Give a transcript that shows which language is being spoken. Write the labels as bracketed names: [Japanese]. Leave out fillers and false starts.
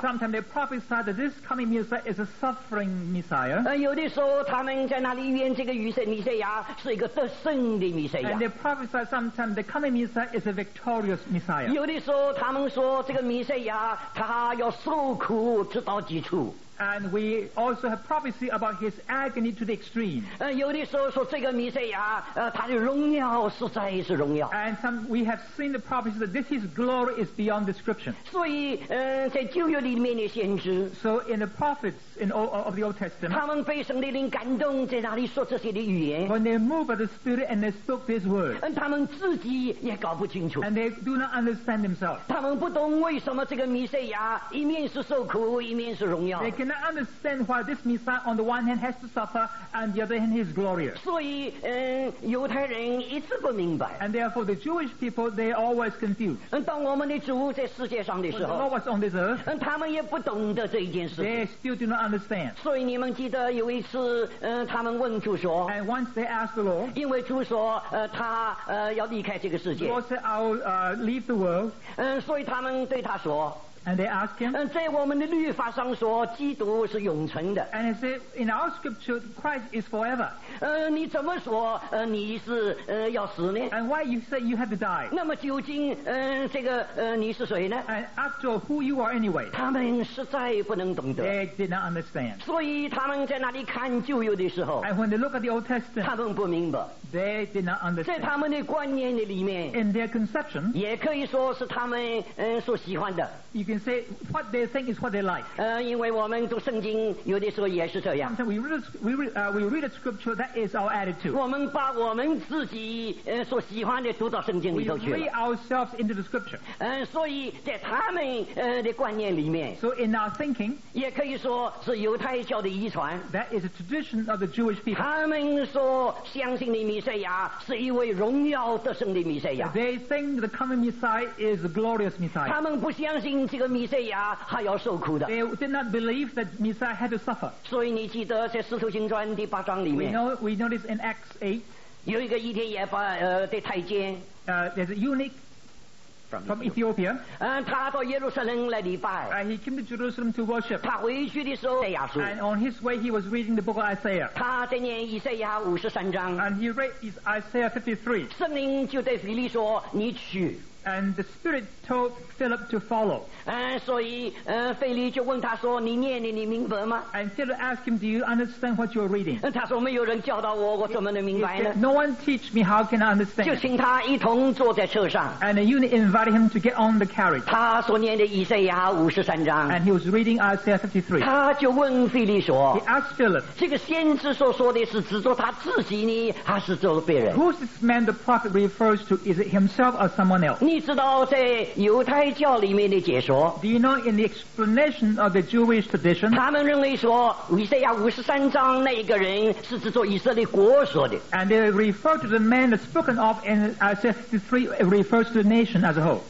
[English] Sometimes they prophesy that this coming Messiah is a suffering Messiah. [Chinese] 嗯，有的时候他们在那里预言这个弥赛亚是一个得胜的弥赛亚。 [English] And they prophesy sometimes the coming Messiah is a victorious Messiah. [Chinese] 有的时候他们说这个弥赛亚他要受苦直到极处。 [English] And we also have prophecy about his agony to the extreme. [Chinese] 有的时候说这个弥赛亚，他的荣耀实在是荣耀。 [English] And some we have seen the prophecy that this his glory is beyond description. [Chinese] 所以，在旧约里面的先知 [English] ，So in the prophets in all of the Old Testament, [Chinese] 他们被圣灵感动，在那里说这些的语言。 [English] When they moved by the Spirit and they spoke this word, [Chinese] 他们自己也搞不清楚。 [English] And they do not understand themselves. [Chinese] 他们不懂为什么这个弥赛亚一面是受苦，一面是荣耀。 [English] I cannot understand why this Messiah on the one hand has to suffer and the other hand he is glorious. [Chinese] 所以，犹太人一直不明白。 [English] And therefore the Jewish people, they are always confused. [Chinese] 当我们的主在世界上的时候 [English] When the Lord was on this earth, [Chinese] 他们也不懂得这一件事。 [English] They still do not understand. [Chinese] 所以你们记得有一次，他们问主说 [English] And once they asked the Lord, [Chinese] 因为主说，他要离开这个世界。 [English] The Lord said, I will leave the world. [Chinese] 所以他们对他说 [English] And they ask him. [Chinese] 在我们的律法上说，基督是永存的。 [English] And he said, in our scripture, Christ is forever. [Chinese] 你怎么说？你是要死呢 [English] ？And why you say you have to die? [Chinese] 那么究竟，这个你是谁呢 [English] ？And after all, who you are anyway? [Chinese] 他们实在不能懂得。 [English] They did not understand. [Chinese] 所以他们在那里看旧约的时候 [English] ，And when they look at the Old Testament, [Chinese] 他们不明白。 [English] They did not understand. [Chinese] 在他们的观念的里面 [English] ，In their conception, [Chinese] 也可以说是他们所喜欢的。 [English] You can say what they think is what they like. [Chinese] 因为我们读圣经有的时候也是这样。 [English] Sometimes we read a scripture that is our attitude. [Chinese] 我们把我们自己所喜欢的读到圣经里头去了。 [English] We read ourselves into the scripture. [Chinese] 所以在他们的观念里面。 [English] So in our thinking, [Chinese] 也可以说是犹太教的遗传。 [English] That is a tradition of the Jewish people. [Chinese] 他们所相信的弥赛亚是一位荣耀得胜的弥赛亚。 [English] They think the coming Messiah is a glorious Messiah. [Chinese] 他们不相信。这个弥赛亚还要受苦的。 [English] They did not believe that Messiah had to suffer. [Chinese] 所以你记得在《使徒行传》第八章里面。 [English] We notice in Acts 8, [Chinese] 有一个以天也发的太监。 [English] There's a eunuch from Ethiopia. [Chinese] 他到耶路撒冷来礼拜。 [English] He came to Jerusalem to worship. [Chinese] 他回去的时候。 [English] And on his way, he was reading the book of Isaiah. [Chinese] 他在念以赛亚五十三章。 [English] And he read Isaiah 53. [Chinese] 圣灵就对腓力说：“你去。” [English] And the Spirit told Philip to follow. [Chinese] 所以腓力就问他说你念的你明白吗 [English] And Philip asked him, do you understand what you're reading? [Chinese] 他说没有人教导我我怎么能明白呢 [English] said, No one teach me, how can I understand? [Chinese] 就请他一同坐在车上 [English] And a eunuch invited him to get on the carriage. [Chinese] 他所念的以赛亚五十三章 [English] And he was reading Isaiah 53. [Chinese] 他就问腓力说 [English] He asked Philip, [Chinese] 这个先知所说的是指着他自己呢还是指着别人 [English] Who's this man the prophet refers to? Is it himself or someone else? [Chinese] 你知道在犹太教里面的解说 [English] Do you know in the explanation of the Jewish tradition [Chinese] 他们认为说以赛亚五十三章那一个人是指着以色列国说的 [English] And they refer to the man that's spoken of in Isaiah 53 it refers to the nation as a whole